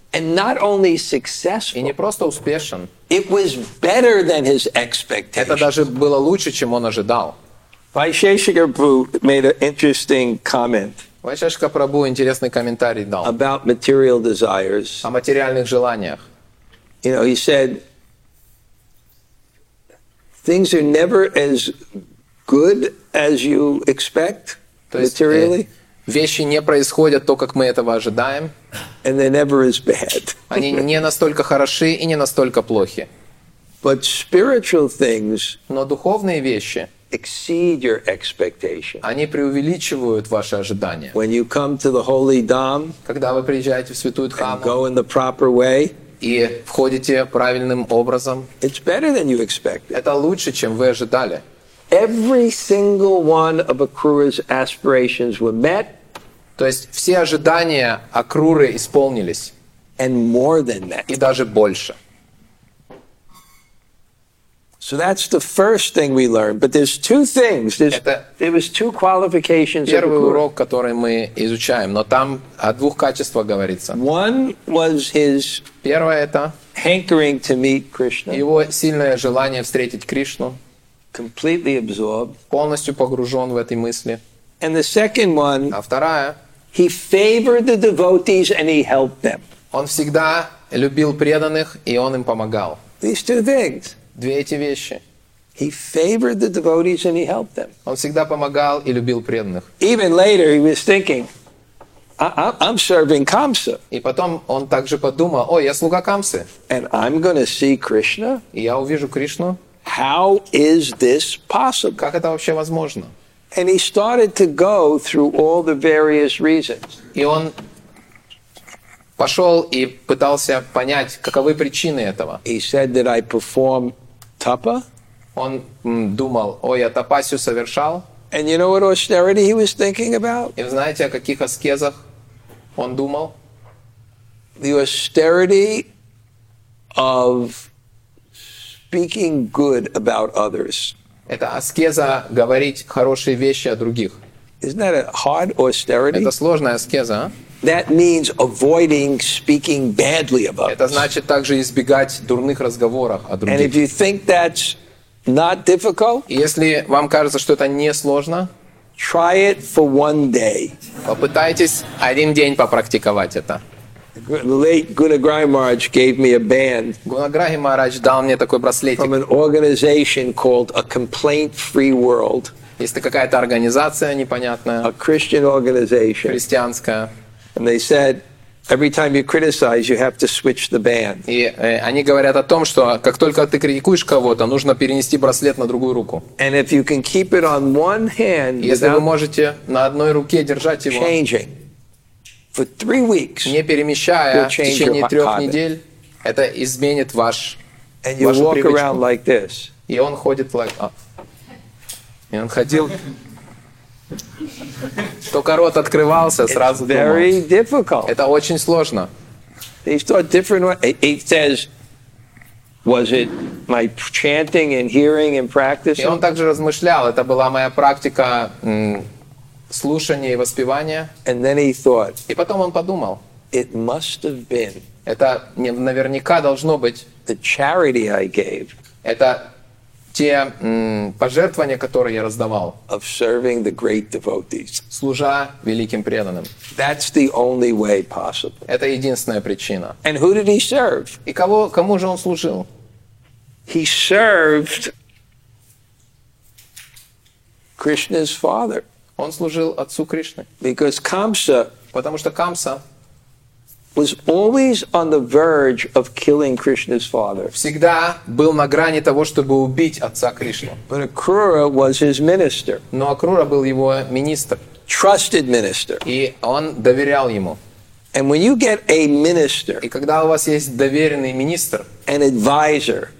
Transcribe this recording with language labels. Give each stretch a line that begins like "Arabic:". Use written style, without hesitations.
English: And not only successful.
Russian: И не просто успешен.
English: It was better than his expectations.
Russian: Это даже было лучше, чем он ожидал.
English: Vaisheshika Prabhu made an interesting comment.
Russian: Vaisheshika Prabhu интересный комментарий дал.
English: About material desires.
Russian: О материальных желаниях.
English: You know, he said, things are never as good as you expect materially.
Russian: Вещи не происходят то, как мы этого ожидаем.
English: And they're never as bad.
Russian: Они не настолько хороши и не настолько плохи.
English: But spiritual things,
Russian: но духовные вещи,
English: exceed your expectation.
Russian: Они преувеличивают ваши ожидания.
English: When you come to the holy dham,
Russian: когда вы приезжаете в святую дхаму,
English: and go in the proper way,
Russian: и входите правильным образом,
English: it's better than you expected.
Russian: Это лучше, чем вы ожидали.
English: Every single one of Akrura's aspirations were met.
Russian: То есть все ожидания Акруры исполнились.
English: And more than that.
Russian: И даже больше.
English: So that's the first thing we learned. But there's two things. There was two qualifications.
Russian: Первый урок, который мы изучаем, но там о двух качествах говорится.
English: One was his.
Russian: Первое это.
English: Hankering to meet Krishna.
Russian: Его сильное желание встретить Кришну.
English: Completely absorbed.
Russian: Полностью погружен в этой мысли.
English: And the second one.
Russian: А вторая.
English: He favored the devotees and he helped them.
Russian: Он всегда любил преданных и он им помогал.
English: These two things.
Russian: Две эти вещи.
English: He favored the devotees and he helped them.
Russian: Он всегда помогал и любил преданных.
English: Even later he was thinking, I'm serving Kamsa.
Russian: И потом он также подумал, ой, я слуга Камсы.
English: And I'm gonna see Krishna.
Russian: И я увижу Кришну.
English: How is this possible?
Russian: Как это вообще возможно?
English: And he started to go through all the various reasons.
Russian: И он пошел и пытался понять, каковы причины этого.
English: He said that I perform tapa.
Russian: Он думал, ой, я тапасю совершал.
English: And you know what austerity he was thinking about?
Russian: И вы знаете, о каких аскезах он думал?
English: The austerity of speaking good about others.
Russian: Это аскеза говорить хорошие вещи о других.
English: Isn't that a hard austerity?
Russian: Это сложная аскеза, а?
English: That means avoiding speaking badly about.
Russian: Это значит также избегать дурных разговоров о других.
English: And if you think that's not difficult,
Russian: если вам кажется, что это не сложно,
English: try it for one day.
Russian: Попытайтесь один день попрактиковать это.
English: Late Gunagrahi Maharaj gave me a band.
Russian: Gunagrahi Maharaj дал мне такой браслетик.
English: From an organization called a complaint-free world.
Russian: Есть какая-то организация непонятная.
English: A Christian organization.
Russian: Христианская.
English: And they said, every time you criticize, you have to switch the band.
Russian: И они говорят о том, что как только ты критикуешь кого-то, нужно перенести браслет на другую руку.
English: And if you can keep it on one hand,
Russian: если вы можете на одной руке держать его.
English: Changing. For three weeks,
Russian: не перемещая в течение трех недель, это изменит ваш
English: And you
Russian: вашу
English: walk
Russian: привычку.
English: Around like this.
Russian: И он ходит like, и он ходил, только рот открывался,
English: It's
Russian: сразу
English: very
Russian: думал.
English: Difficult.
Russian: Это очень сложно.
English: He thought different. He says, was it my chanting and hearing and practice?
Russian: И он также размышлял, это была моя практика. Слушание и воспевание.
English: And then he thought,
Russian: и потом он подумал.
English: It must have been,
Russian: это наверняка должно быть.
English: The charity I gave,
Russian: это те пожертвования, которые я раздавал.
English: Of serving the great devotees.
Russian: Служа великим преданным.
English: That's the only way possible.
Russian: Это единственная причина.
English: And who did he serve?
Russian: И кого, кому же он служил?
English: He served Krishna's father.
Russian: Он служил отцу Кришны.
English: Because Kamsa,
Russian: потому что Камса,
English: was always on the verge of killing Krishna's father.
Russian: Всегда был на грани того, чтобы убить отца Кришны.
English: But Akrura was his minister.
Russian: Но Акрура был его министр.
English: Trusted minister.
Russian: И он доверял ему.
English: And when you get a minister,
Russian: и когда у вас есть доверенный министр,
English: an advisor,